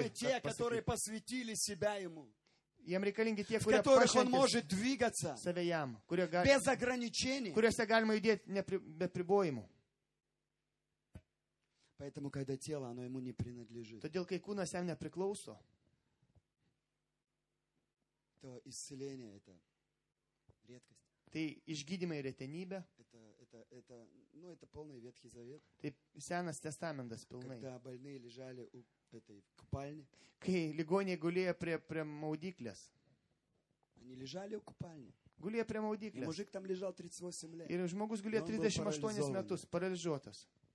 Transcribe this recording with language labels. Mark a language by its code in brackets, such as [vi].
[ru] Ему нужны те, которые посвятили себя ему. [lt] Jam reikalingi tie, [ru] в которых он может двигаться [lt] jam, [ru] без ограничений, [lt] kuriuose galima judėti be pribojimų. [ru] Поэтому, когда тело, оно ему не принадлежит, [lt] todėl, kai kūnas jam nepriklauso, [ru] то исцеление это редкость. [lt] Tai išgydymai retenybė. [ru] Это полный Ветхий Завет. [lt] Tai senas testamentas pilnai. [ru] Когда больные лежали у этой купальни. [lt] Kai ligoniai gulėjo prie maudyklės. [ru] Они лежали у купальни. [lt] Gulėjo prie maudyklės. [ru] И мужик там лежал 38 лет. [lt] Ir žmogus gulėjo 38 metus, paralyžiuotas.